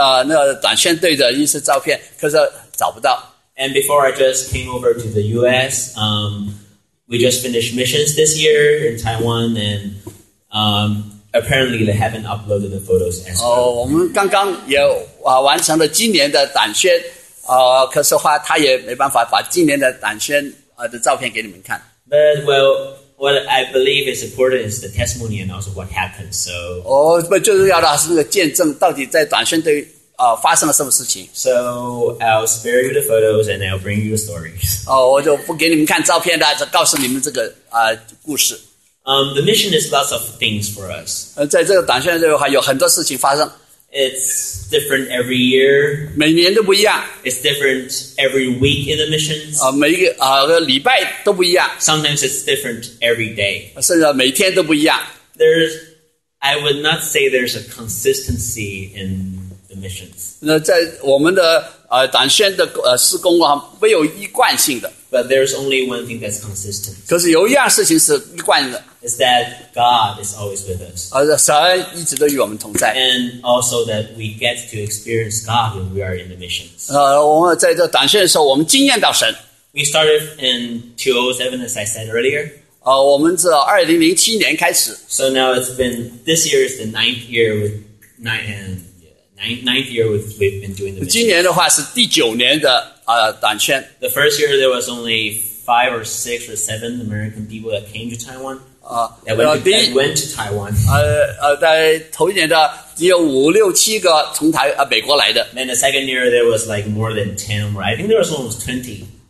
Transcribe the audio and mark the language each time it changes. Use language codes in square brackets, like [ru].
[zh] 可是我想原本给你们看去年那个短宣队的一些照片，可是找不到。 [en] And before I just came over to the US, we just finished missions this year in Taiwan, and apparently they haven't uploaded the photos as well. [zh] Oh, 我们刚刚也完成了今年的短宣，可是话他也没办法把今年的短宣的照片给你们看。 [en] But well, what I believe is important is the testimony and also what happened. So, [zh] oh, 不就是要的是那个见证，到底在短宣队发生了什么事情？ [en] So I'll spare you the photos and I'll bring you the stories. [zh] 我就不给你们看照片的，只告诉你们这个故事。 [en] The mission is lots of things for us. [zh] 在这个短宣队的话，有很多事情发生。 [en] It's different every year. [zh] 每年都不一样。 [en] It's different every week in the missions. [zh] 每一个礼拜都不一样。 [en] Sometimes it's different every day. [zh] 甚至每天都不一样。 [en] There's, I would not say there's a consistency in missions. [zh] 在我们的短宣的施工没有一贯性的。 [en] But there's only one thing that's consistent. [zh] 可是有一样事情是一贯的。 [en] Is that God is always with us. [zh] 神一直都与我们同在。 [en] And also that we get to experience God when we are in the missions. [zh] 我们在这短宣的时候，我们惊艳到神。 [en] We started in 2007, as I said earlier. [zh] 我们自2007年开始。 [en] So now it's been, this year is the ninth year with ninth year we've been doing the mission. [zh] 今年的话是第九年的短宣。 [en] The first year there was only 5 or 6 or 7 American people that came to Taiwan. That went to Taiwan. [zh] 在头一年的只有五六七个从美国来的。 [en] Then the second year there was like more than 10 or I think there was almost 20.